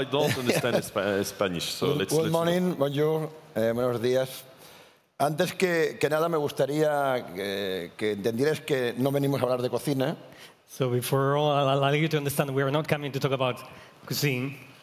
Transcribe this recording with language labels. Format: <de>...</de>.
<en>I don't understand Spanish, so let's... Good morning,</en> <fr>bonjour,</fr> <es>buenos días. Antes que nada, me gustaría que entendieras que no venimos a hablar de cocina.</es> <en>So before all, I'd like you to understand we are not coming to talk about cuisine.</en>